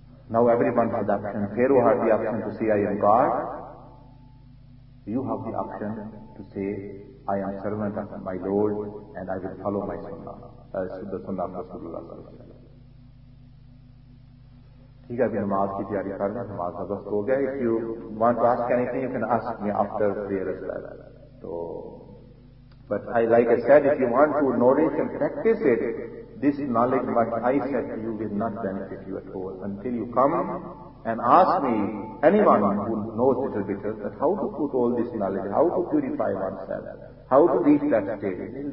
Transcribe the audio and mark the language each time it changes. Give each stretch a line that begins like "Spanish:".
English: Now everyone has the option. Pharaoh had the option to say, I am God. You have the option to say, I am servant of my Lord and I will follow my sunnah. The sunnah of Rasulullah.
Urdu: ٹھیک ہے ابھی نماز کی تیاری کر رہے ہیں نماز کا وقت ہو گیا
English: if you want to ask anything you can ask me after prayer
Urdu: تو
English: But I, like I said, if you want to nourish and practice it, this knowledge what I said to you will not benefit you at all until you come and ask me, anyone who knows little bit, that how to put all this knowledge, how to purify oneself, how to reach that stage.